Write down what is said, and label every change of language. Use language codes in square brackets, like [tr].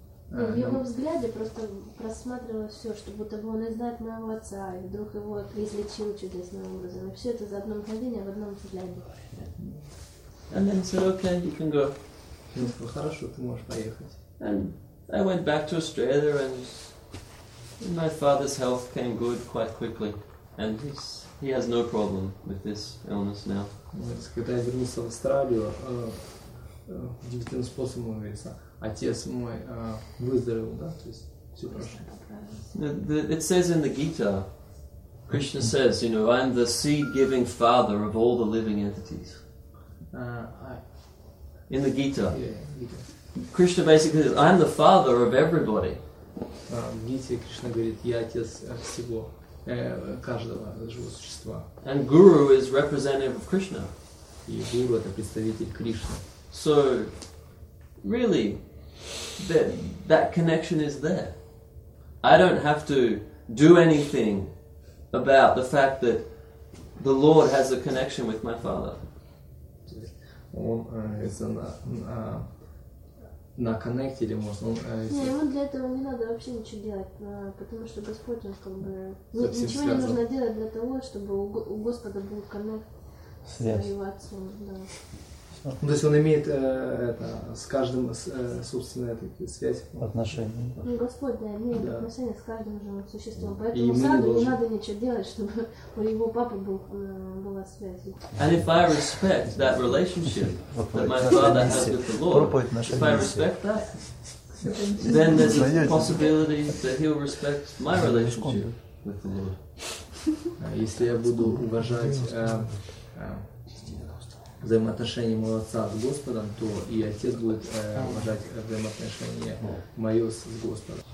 [ru] в его взгляде просто просматривалось все, что будто бы он и знает моего отца, и вдруг его излечил чудесным образом. И все это за одно мгновение в одном взгляде. [en] And then he said, okay, you can go. [ru] Он сказал, хорошо, ты можешь поехать. [en] I went back to Australia, and my father's health came good quite quickly, and he has no problem with this illness now. [ru] Когда я вернулся в Австралию, удивительным способом, говорится, отец мой выздоровел, да, то есть все прошло. [en] It says in the Gita, Krishna says, you know, I'm the seed-giving father of all the living entities. In the Gita. Yeah, Gita. Krishna basically says, I'm the father of everybody. [ru] Гите Кришна говорит, я отец всего, каждого живого существа. [en] And Guru is representative of Krishna. [ru] И Гуру это представитель Кришны. [en] So, really, that connection is there. I don't have to do anything about the fact that the Lord has a connection with my father. [ru] Он, на коннекте, можно. Не, ему для этого не надо вообще ничего делать, потому что Господь, он как бы... Ничего не нужно делать для того, чтобы у Господа был коннект с его отцом. Да. Ну, то есть он имеет с каждым собственную связь. Отношения. Ну, Господь, да, имеет отношения с каждым живым существом. Поэтому саду не надо ничего делать, чтобы у его папы была связь. [en] And if I respect that relationship that my father has with the Lord, if I respect that, then there's a possibility that he'll respect my relationship with the Lord. [ru] Если я буду уважать взаимоотношения моего отца с Господом, то и отец будет уважать взаимоотношения мое с Господом.